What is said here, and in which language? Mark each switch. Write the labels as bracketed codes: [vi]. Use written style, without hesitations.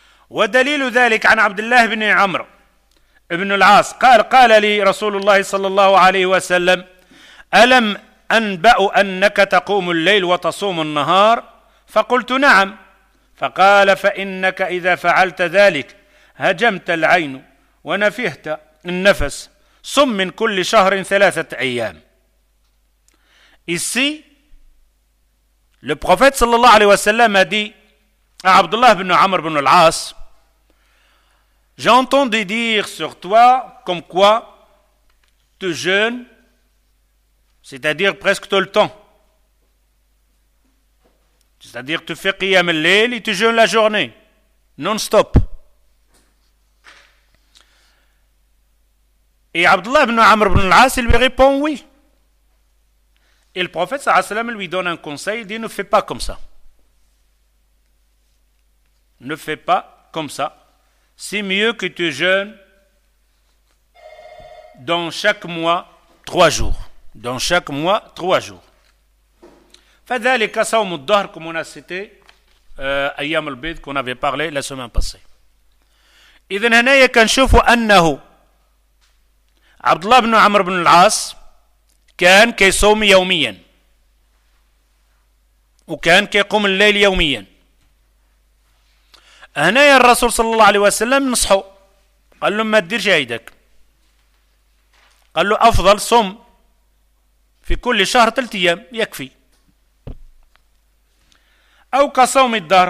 [ar] Wa dalil dhalik an Abdullah ibn Amr ibn al-As qala li Rasulullah sallallahu alayhi wa sallam alam أنبأ أنك تقوم الليل وتصوم النهار فقلت نعم فقال فإنك إذا فعلت ذلك هجمت العين ونفهت النفس صم من كل شهر ثلاثة أيام. [fr] Ici le prophète sallallahu alayhi wa sallam a dit à Abdullah ibn Amr ibn al-As, j'entends dire sur toi comme quoi tu jeûnes, c'est-à-dire presque tout le temps. C'est-à-dire tu fais qiyam al-layl et tu jeûnes la journée, non-stop. Et Abdullah ibn Amr ibn al-As lui répond oui. Et le prophète sallallahu alayhi wa sallam lui donne un conseil, il dit ne fais pas comme ça. Ne fais pas comme ça. C'est mieux que tu jeûnes dans chaque mois 3 jours. Dans chaque mois, 3 jours. Fadhalik asawm al-dahr, comme on a cité, Ayyam al-Bid, qu'on avait parlé la semaine passée. [ar] إذن هنا كنشوف أنه عبد الله بن عمرو بن العاص كان كيصوم يوميا وكان كيقوم الليل يوميا. هنا الرسول صلى الله عليه وسلم نصحه قال له ما تديرش عيدك، قال له أفضل صوم في كل شهر 3 أيام يكفي أو كصوم الدهر.